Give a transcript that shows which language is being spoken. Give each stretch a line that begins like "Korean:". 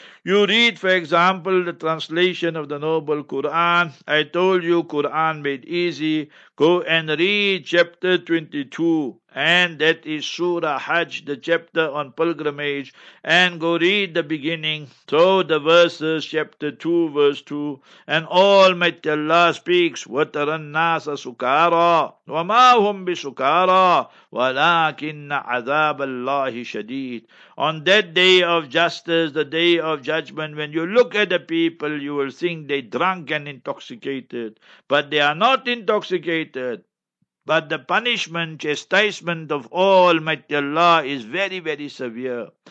English: You read, for example, the translation of the Noble Quran. I told you, Quran made easy. Go and read chapter 22. And that is Surah Hajj, the chapter on pilgrimage. And go read the beginning. So the verses, chapter 2, verse 2. And Almighty Allah speaks,
Arabic: وَتَرَ النَّاسَ سُكَارَى وَمَا هُمْ بِسُكَارَى وَلَكِنَّ عَذَابَ اللَّهِ شَدِيدٌ.
English: On that day of justice, the day of judgment, when you look at the people, you will think they drunk and intoxicated. But they are not intoxicated. But the punishment, chastisement of Almighty Allah is very, very severe.